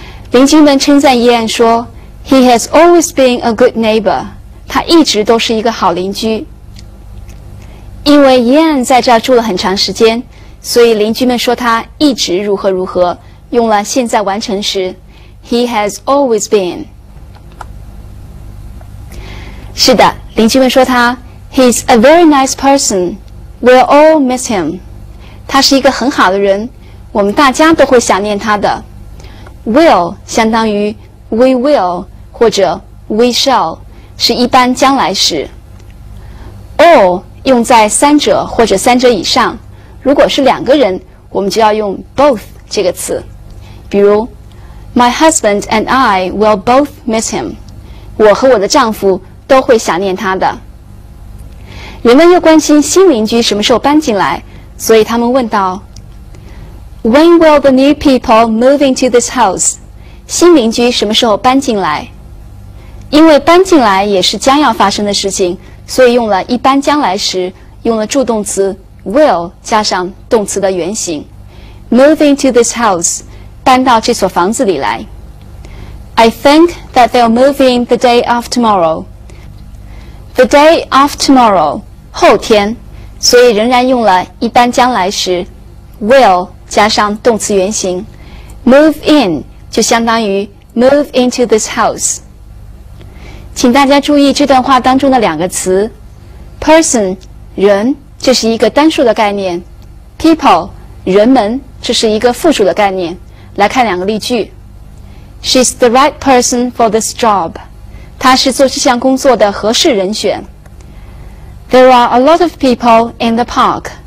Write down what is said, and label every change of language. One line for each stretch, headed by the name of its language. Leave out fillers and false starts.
Chinese: 邻居们称赞 Ian 说
English: He has always been a good neighbor.
Chinese: 他一直都是一个好邻居。因为 Ian 在这儿住了很长时间，所以邻居们说他一直如何如何，用了现在完成时
English: He has always been。
Chinese: 是的，邻居们说他
English: He's a very nice person. We'll all miss him.
Chinese: 他是一个很好的人，我们大家都会想念他的。 Will 相当于
English: We will
Chinese: 或者
English: We shall，
Chinese: 是一般将来时。 All用在三者或者三者以上，如果是两个人，我们就要用 both 这个词。比如
English: My husband and I will both miss him.
Chinese: 我和我的丈夫都会想念他的。人们又关心新邻居什么时候搬进来，所以他们问道
English: When will the new people move into this house?
Chinese: 新邻居什么时候搬进来？因为搬进来也是将要发生的事情，所以用了一般将来时，用了助动词 will 加上动词的原形。
English: Move into this house，
Chinese: 搬到这所房子里来。
English: I think that they'll move in the day of tomorrow. The day of tomorrow，
Chinese: 后天，所以仍然用了一般将来时 will 加上动词原形。
English: Move in
Chinese: 就相当于
English: move into this house。
Chinese: 请大家注意这段话当中的两个词 person 人，这是一个单数的概念， people 人们这是一个复数的概念。来看两个例句。
English: She's the right person for this job.
Chinese: 她是做这项工作的合适人选。
English: There are a lot of people in the park.